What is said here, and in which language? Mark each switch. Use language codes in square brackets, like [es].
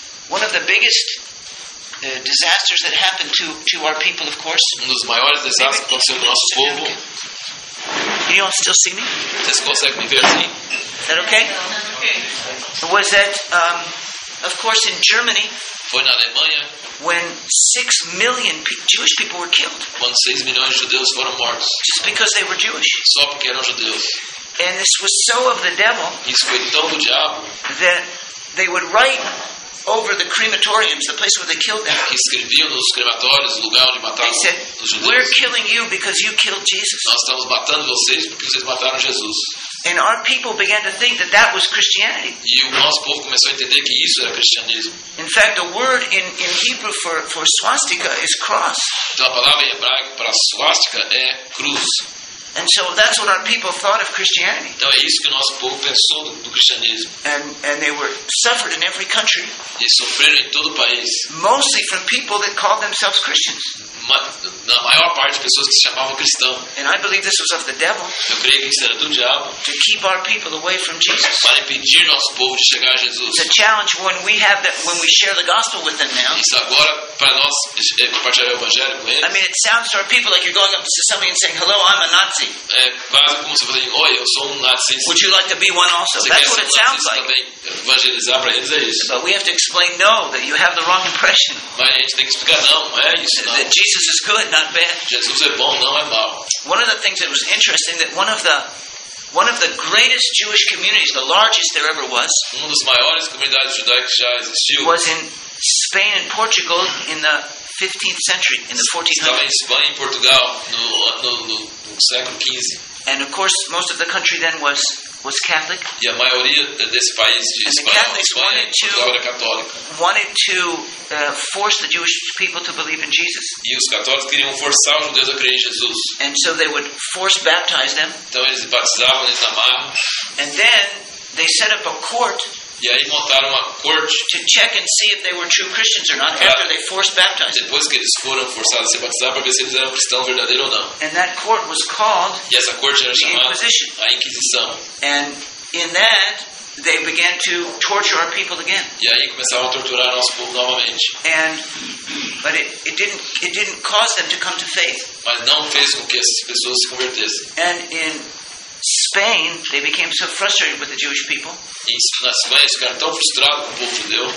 [en] One of the biggest disasters that happened to our people, of course. [pt] Um dos maiores desastres que aconteceu com nosso povo. [en] Can you all still see me? [pt] Vocês conseguem me ver assim? [en] Is that okay? Was that Of course, in Germany, [pt] foi na Alemanha, [en] when 6 million Jewish people were killed, [pt] quando 6 milhões de judeus foram mortos, [en] just because they were Jewish. [pt] Só porque eram judeus. [en] And this was so of the devil, [pt] isso foi tão do diabo, [en] that they would write over the crematoriums, the place where they killed them. [pt] Que escreviam nos crematórios, o lugar onde mataram os judeus. [en] We're killing you because you killed Jesus. [pt] Nós estamos matando vocês porque vocês mataram Jesus. [en] And our people began to think that that was Christianity. [pt] E o nosso povo começou a entender que isso era cristianismo. [en] In fact, the word in Hebrew for swastika is cross. [pt] Então a palavra em hebraico para swastika é cruz. [en] And so that's what our people thought of Christianity. [pt] Então é isso que o nosso povo pensou do cristianismo. [en] And they were suffered in every country. [pt] E sofreram em todo o país. [en] Mostly from people that called themselves Christians. [pt] Na maior parte de pessoas que se chamavam cristão. [en] And I believe this was of the devil. [pt] Eu creio que isso era do diabo. [en] To keep our people away from Jesus. [pt] Para impedir nosso povo de chegar a Jesus. [en] The challenge when we have that when we share the gospel with them now. [pt] Isso agora para nós compartilhar o evangelho com eles. [en] I mean, it sounds to our people like you're going up to somebody and saying, "Hello, I'm a Nazi." [pt] É quase como se fosse, "Oi, eu sou Nazi." [en] Would you like to be one also? [pt] Você [en] That's what it sounds like. [pt] Também. Evangelizar para eles é isso. [en] But we have to explain no, that you have the wrong impression. [pt] Mas a gente tem que explicar não, é isso não. [en] That Jesus is good, not bad. [pt] Jesus é bom, não é mal. [en] One of the things that was interesting that one of the greatest Jewish communities, the largest there ever was, [pt] uma das maiores comunidades judaicas já existiu, [en] was in Spain and Portugal in the 15th century, in the 1400s. [pt] Estava em Espanha e Portugal no século 15. [en] And of course, most of the country then was Catholic. [pt] E a maioria desse país de Espanha, Portugal era católica. [en] Wanted to force the Jewish people to believe in Jesus. [pt] E os católicos queriam forçar os judeus a crer em Jesus. [en] And so they would force baptize them. [pt] Então eles batizavam, eles amavam. [en] And then they set up a court. [pt] E aí montaram uma corte. [en] To check and see if they were true Christians or not after they forced baptized. [pt] Depois que eles foram forçados a ser batizados para ver se eles eram cristãos verdadeiros ou não. [en] And that court was called. [pt] E essa corte era chamada a Inquisição. [en] And in that they began to torture our people again. [pt] E aí começaram a torturar nosso povo novamente. [en] And but it didn't cause them to come to faith. [pt] Mas não fez com que essas pessoas se convertessem. [en] And in Spain, they became so frustrated with the Jewish people. [pt] Na Espanha, eles ficaram tão frustrados com o povo judeu.